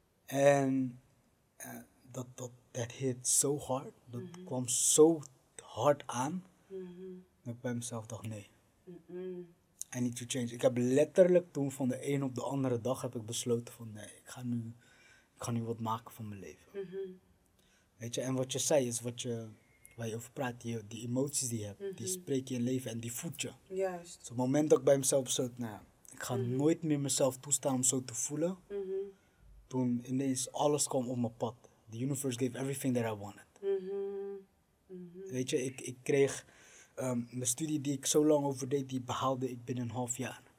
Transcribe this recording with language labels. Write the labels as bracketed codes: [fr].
[nl] En dat [en] hit [nl] zo hard. Dat kwam zo hard aan. Mm-hmm. Dat ik bij mezelf dacht nee. Mm-mm. [en] I need to change. [nl] Ik heb letterlijk toen van de een op de andere dag heb ik besloten van nee, ik ga nu wat maken van mijn leven. Mm-hmm. Weet je, en wat je zei is wat je, waar je over praat, die emoties die je hebt, die spreek je in leven en die voed je. Juist. Dus op het moment dat ik bij mezelf besloot, nou, ik ga nooit meer mezelf toestaan om zo te voelen. Mm-hmm. Toen ineens alles kwam op mijn pad. [en] The universe gave everything that I wanted. Mm-hmm. [nl] Weet je, ik kreeg... mijn studie die ik zo lang over deed, die behaalde ik binnen een half jaar.